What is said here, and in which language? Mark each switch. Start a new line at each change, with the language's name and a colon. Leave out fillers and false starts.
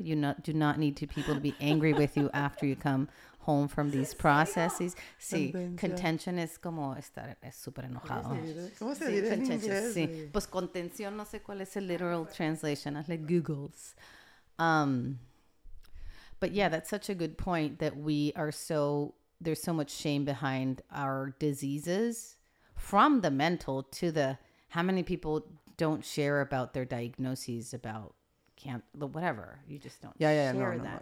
English: You do not need people to be angry with you after you come home from these processes.
Spanish: Sí, contention es como estar súper enojado. ¿Cómo se dice en inglés? Sí, pues contención, no sé cuál es el
English: literal translation.
Spanish: Hazle Googles.
English: But yeah, that's such a good point that we are so, there's so much shame behind our diseases. From the mental to the, how many people don't share about their diagnoses, about whatever, you just don't share them.